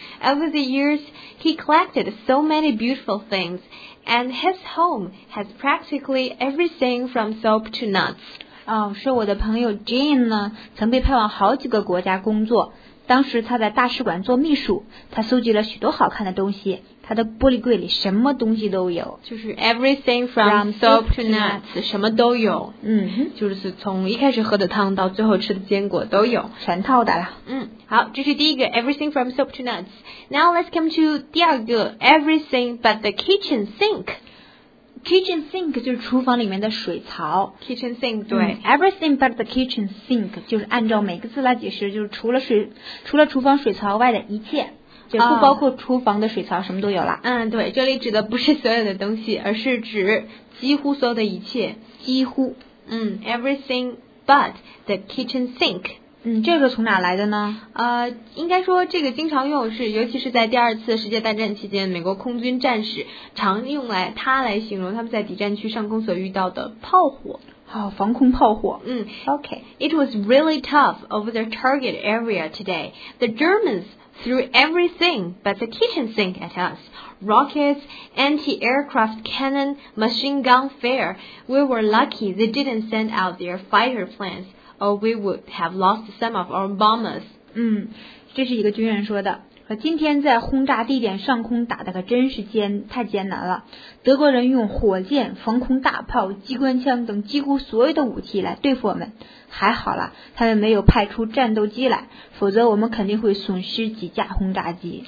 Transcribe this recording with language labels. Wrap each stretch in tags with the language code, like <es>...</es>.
<en>Over the years, he collected so many beautiful things, and his home has practically everything from soap to nuts.</en> <zh>说我的朋友 Jane 呢，曾被派往好几个国家工作。当时他在大使馆做秘书，他搜集了许多好看的东西。他的玻璃柜里什么东西都有，就是 everything from soap to nuts，什么都有。就是从一开始喝的汤到最后吃的坚果都有，全套的了。</zh> <en>好，这是第一个 everything from soap to nuts。Now let's come to 第二个 everything but the kitchen sink。</en> <zh>Kitchen sink 就是厨房里面的水槽。</zh> <en>Kitchen sink 对、</en> <zh>everything but the kitchen sink 就是按照每个字来解释，就是除了厨房水槽外的一切，就不包括厨房的水槽，什么都有了。对，这里指的不是所有的东西，而是指几乎所有的一切，几乎。</zh> <en>Everything but the kitchen sink。</en> <zh>这个从哪来的呢？应该说这个经常用，是尤其是在第二次世界大战期间，美国空军战士常用来它来形容他们在敌占区上空所遇到的炮火。好，防空炮火。嗯</zh> <en>，OK. It was really tough over the target area today. The Germans threw everything but the kitchen sink at us. Rockets, anti-aircraft cannon, machine gun fire. We were lucky they didn't send out their fighter planes, or we would have lost some of our bombers.</en> <zh>嗯，这是一个军人说的。今天在轰炸地点上空打得可真是太艰难了。德国人用火箭、防空大炮、机关枪等几乎所有的武器来对付我们。还好了，他们没有派出战斗机来，否则我们肯定会损失几架轰炸机。</zh>